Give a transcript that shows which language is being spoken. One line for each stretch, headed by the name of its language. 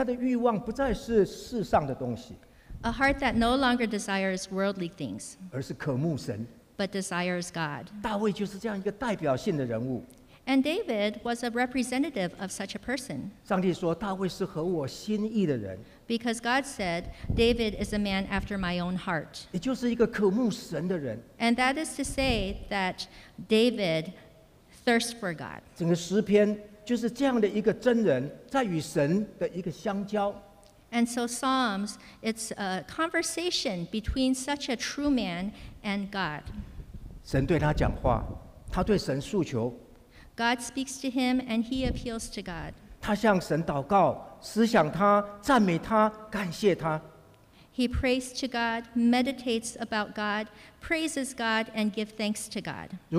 Chinese: 这个新的心，他的欲望不再是世上的东西。
English: A heart that no longer desires worldly things,
Chinese: 而是渴慕神,
English: but desires God.
Chinese: 大卫就是这样一个代表性的人物。
English: And David was a representative of such a person.
Chinese: 上帝说大卫是合我心意的人。
English: Because God said, David is a man after my own heart.
Chinese: 也就是一个渴慕神的人。
English: And that is to say that David thirsts for God.
Chinese: 整个诗篇就是这样的一个真人在与神的一个相交。
English: And so Psalms, it's a conversation between such a true man and God.
Chinese: 神对他讲话，他对神诉求。
English: God speaks to him and he appeals to God.
Chinese: 他向神祷告，思想他，赞美他，感谢他。
English: He prays to God, meditates about God, praises God, and gives thanks to God.